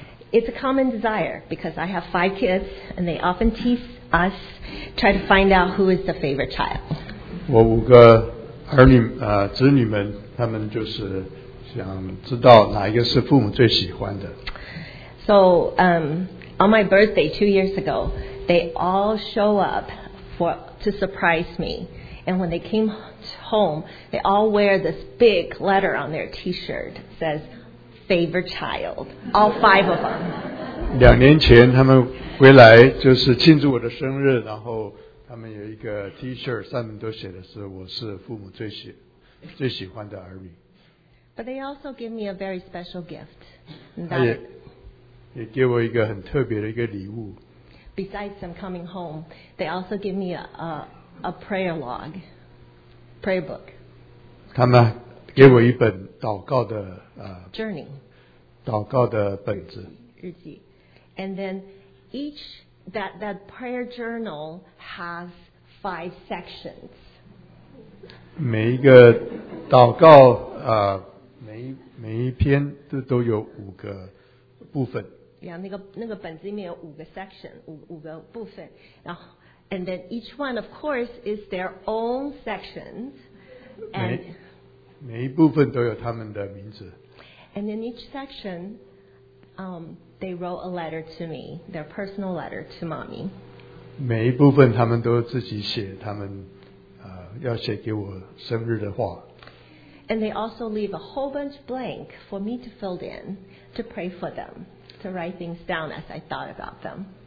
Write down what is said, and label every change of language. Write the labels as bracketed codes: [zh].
[en] It's a common desire because I have 5 kids and they often tease us, try to find out who is the favorite child. [zh] 我五个儿女子女们，他们就是想知道哪一个是父母最喜欢的。 [en] So, on my birthday 2 years ago, they all show up to surprise me. And when they came home, they all wear this big letter on their t-shirt that says,Favorite child, all 5 of them. [zh] 两年前他们回来就是庆祝我的生日，然后他们有一个 T-shirt， 上面都写的是我是父母最喜欢的儿女。 [en] But they also give me a very special gift. [zh] 也给我一个很特别的一个礼物。 [en] Besides them coming home, they also give me a prayer log, prayer book. [zh] 他们给我一本祷告的 [en] journey， [zh] 祷告的本子日记。 [en] And then each that prayer journal has 5 sections. [zh] 每一个祷告每一篇都有五个部分。 Yeah, 那个本子里面有五个 section， 五个部分。然后 [en] And then each one, of course, is their own sections. And [zh] 每一部分都有他们的名字. [en] And in each section, they wrote a letter to me, their personal letter to mommy. [zh] 每一部分他们都自己写他们要写给我生日的话. [en] And they also leave a whole bunch blank for me to fill in, to pray for them, to write things down as I thought about them.